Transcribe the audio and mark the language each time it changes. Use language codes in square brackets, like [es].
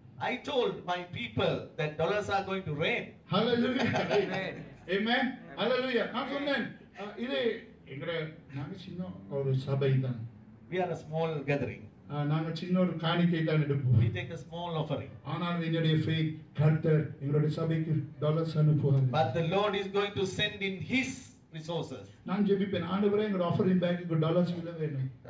[en] I told my people that dollars are going to rain [ta] hallelujah amen hallelujah நான் சொன்னேன் இதே நாங்க சின்ன ஒரு சபை தான் [en] we are a small gathering [ta] நாங்க சின்ன ஒரு காணிக்கை தான் எடுப்போம் [en] we take a small offering [ta] ஆனால் எங்களுடைய faith கர்த்தர் எங்களுடைய சபைக்கு டாலர்ஸ் அனுப்புவார் [en] but the lord is going to send in his resources [ta] நான் ஜெபிப்பேன் ஆண்டவரே எங்க ஆஃபரிங் பேக்குக்கு டாலர்ஸ் இல்ல வேணும்